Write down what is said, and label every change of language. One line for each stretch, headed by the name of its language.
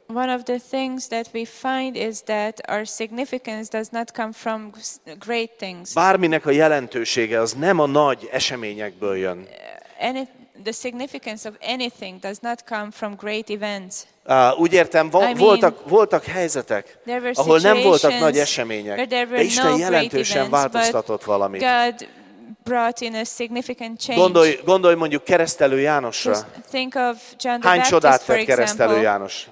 English: One of the things that we find is that our significance does not come from great things.
Hungarian: Bárminek a jelentősége az nem a nagy eseményekből jön.
English: The significance of anything does not come from great events.
Hungarian: Úgy értem, voltak helyzetek, ahol nem voltak nagy események, de Isten jelentősen változtatott valamit.
English: God brought in a significant change.
Hungarian: Gondolj mondjuk Keresztelő Jánosra.
English: Just think of John the
Hungarian: Hány
English: Baptist,
Hungarian: csodát
English: for
Hungarian: tett Keresztelő János?